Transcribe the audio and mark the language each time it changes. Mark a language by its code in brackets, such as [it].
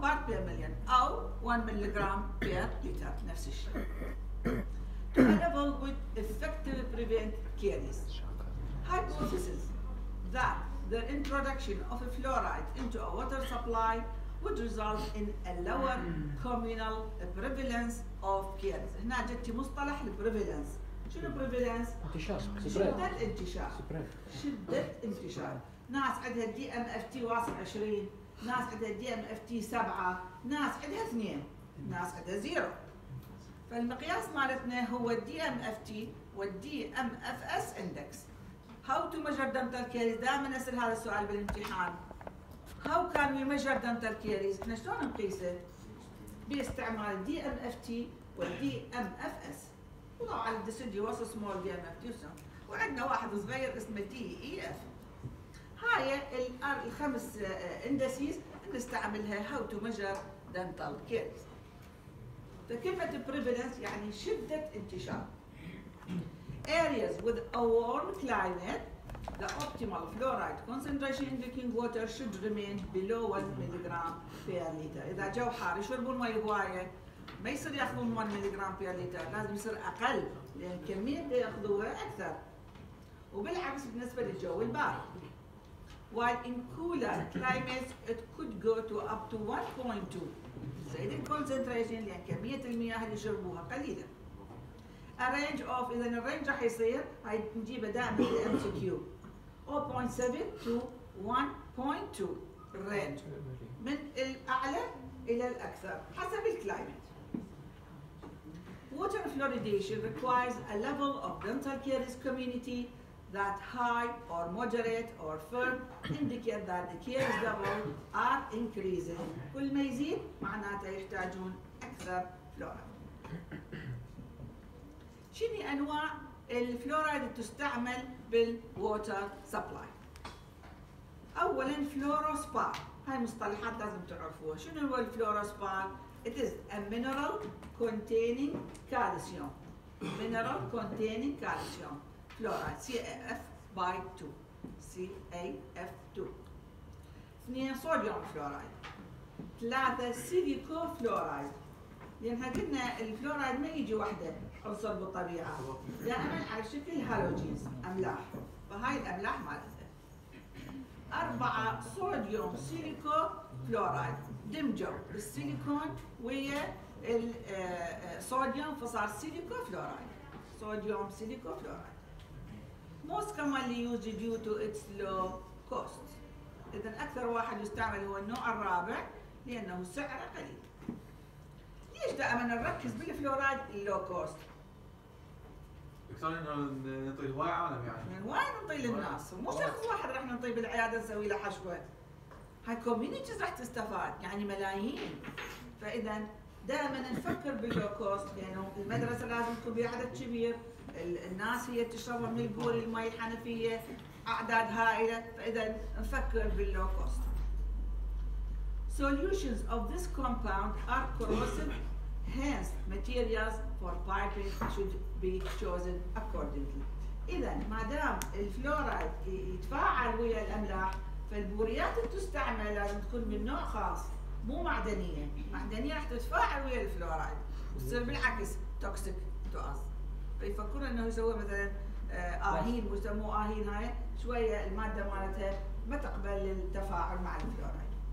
[ar] بارت بير مليون او 1 ملي جرام بير لتر نفس الشيء. [en] A level would effectively prevent caries. Hypothesis that the introduction of a fluoride into a water supply would result in a lower communal prevalence of caries. [ar] هنا جت مصطلح البريفيلنس. شنو بريفيلنس؟ انتشار. شدة انتشار. شدة انتشار. ناس عندها دي ام اف تي واصل 20، ناس عندها دي ام اف تي 7، ناس عندها 2، ناس عندها 0. فالمقياس مالتنا هو الدي ام اف تي والدي ام اف اس اندكس. [en] How to measure dental caries? [ar] دائما اسال هذا السؤال بالامتحان. [en] How can you measure dental caries? [ar] احنا شلون نقيسه؟ باستعمال الدي ام اف تي والدي ام اف اس. وضعوا على الديسيديو وصل سمول دي ام اف تي وعندنا واحد صغير اسمه دي اي اف. هاي الخمس اندسيز نستعملها [en] How to measure dental caries. [ar] فكلمة بريفلنس يعني شدة انتشار. [en] Areas with a warm climate, the optimal fluoride concentration in drinking water should remain below 1 mg per liter. [ar] إذا جو حار يشربون مي هواية ما يصير ياخذون 1 mg per liter، لازم يصير أقل لأن كمية اللي ياخذوها أكثر. وبالعكس بالنسبة للجو البارد. [en] While in cooler climates it could go to up to 1.2. [ar] زايد الكونسنتريشن لان كمية المياه اللي يشربوها قليلة. الرينج اوف اذا الرينج راح يصير هاي نجيبه دائما في الام سي كيو 0.7 تو 1.2 رينج من الاعلى الى الاكثر حسب الكلايمت. [en] Water fluoridation requires a level of dental caries community that high or moderate or firm indicate that the case double are increasing. [ar] كل ما يزيد معناته يحتاجون أكثر فلورايد. شنو أنواع الفلورايد تستعمل بالwater supply؟ أولاً فلوروسبار، هاي مصطلحات لازم تعرفوها. شنو هو الفلوروسبار؟ [en] It is a mineral containing calcium. Mineral containing calcium. Fluoride, CaF by 2. CaF2. [ar] اثنين [en] sodium fluoride. [ar] ثلاثة [en] silico fluoride. [ar] لأنها قلنا الفلوريد ما يجي وحدة عنصر بالطبيعة. دائماً على شكل هالوجينز أملاح. فهاي الأملاح مالتها. أربعة [en] sodium silico fluoride. [ar] دمجوا السيليكون ويا الصوديوم فصار سيليكو فلورايد. صوديوم سيليكو فلورايد [en] most commonly used due to its low cost. [ar] إذن أكثر واحد يستعمل هو النوع الرابع لأنه سعره قليل. ليش دائما نركز بالفلورايد اللو كوست؟ أكثر إنه نطيل واي عالم يعني. وين نطيل الناس؟ مو شخص واحد رح نطيل بالعيادة نسوي له حشوة. هاي كوميونيتيز راح تستفاد يعني ملايين. فاذا دائما نفكر باللو كوست لانه يعني المدرسه لازم تكون بعدد كبير، الناس هي تشرب من البول المي الحنفيه اعداد هائله، فاذا نفكر باللو كوست. [en] Solutions of this compound are corrosive, hence materials for piping should be chosen accordingly. [ar] اذا ما دام الفلورايد يتفاعل ويا الاملاح فالبوريات اللي تستعمل لازم تكون من نوع خاص مو معدنية. معدنية راح تتفاعل ويا الفلورايد وتصير بالعكس [en] Toxic to us. [ar] فيفكرون انه يسوي مثلا اهين ويسموه اهين، هاي شوية المادة مالتها ما تقبل التفاعل مع الفلورايد.